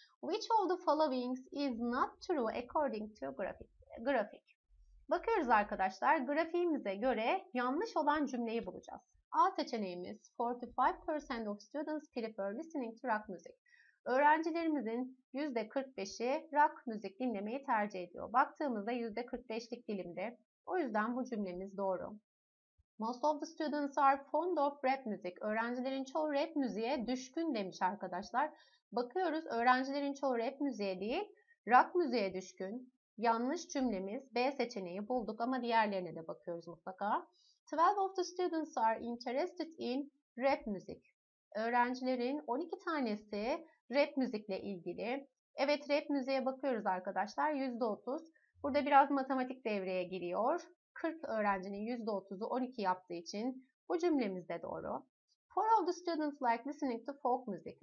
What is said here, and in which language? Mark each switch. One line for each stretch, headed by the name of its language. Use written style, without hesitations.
English: Which of the following is not true according to grafik?
Turkish: Bakıyoruz arkadaşlar, grafiğimize göre yanlış olan cümleyi bulacağız. A seçeneğimiz
English: 45% of students prefer listening to rock music.
Turkish: Öğrencilerimizin %45'i rock müzik dinlemeyi tercih ediyor. Baktığımızda %45'lik dilimde. O yüzden bu cümlemiz doğru.
English: Most of the students are fond of rap music.
Turkish: Öğrencilerin çoğu rap müziğe düşkün demiş arkadaşlar. Bakıyoruz, öğrencilerin çoğu rap müziğe değil, rock müziğe düşkün. Yanlış cümlemiz B seçeneği bulduk ama diğerlerine de bakıyoruz mutlaka.
English: 12 of the students are interested in rap music.
Turkish: Öğrencilerin 12 tanesi rap müzikle ilgili. Evet, rap müziğe bakıyoruz arkadaşlar. %30. Burada biraz matematik devreye giriyor. 40 öğrencinin %30'u 12 yaptığı için bu cümlemiz de doğru.
English: Four of the students like listening to folk music.